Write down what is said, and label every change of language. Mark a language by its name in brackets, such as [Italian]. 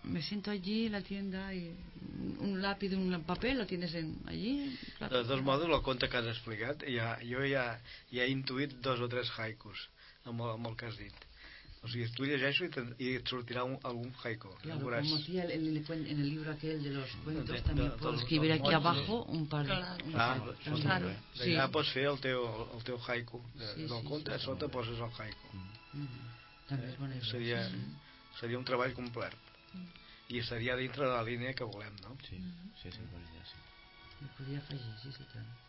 [Spanish] Me siento allí, la tienda, y un lápiz, un papel, lo tienes allí. De dos modos, [Catalan] el conte que has explicat, jo ja he intuït dos o tres haikus amb el que has dit. O sigui, tu llegeixo i et sortirà algun haiku. [Spanish] Claro, como decía en el libro aquel de los cuentos, también puedo escribir aquí abajo un par de... Claro. Sí. [Catalan] Allà pots fer el teu haiku. Del conte, a sota poses el haiku. També és bona idea. Seria un treball complet. I seria dintre de la línia que volem, no? Sí, sí, és bona idea, sí. Ho podria afegir, sí, sí, tant.